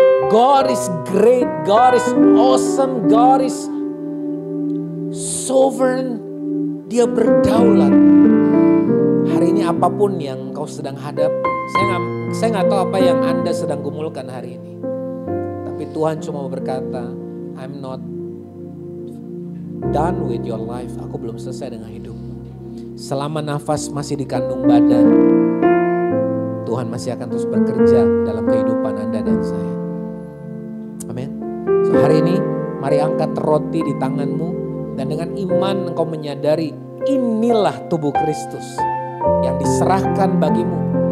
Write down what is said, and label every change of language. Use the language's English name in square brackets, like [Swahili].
[English] God is great, God is awesome, God is sovereign. [Indonesian] Dia berdaulat. Hari ini apapun yang kau sedang hadapi, saya gak tahu apa yang Anda sedang gumulkan hari ini. Tapi Tuhan cuma berkata, I'm not done with your life. Aku belum selesai dengan hidupmu. Selama nafas masih di kandung badan, Tuhan masih akan terus bekerja dalam kehidupan Anda dan saya. Amin. So, hari ini mari angkat roti di tanganmu dan dengan iman engkau menyadari inilah tubuh Kristus yang diserahkan bagimu.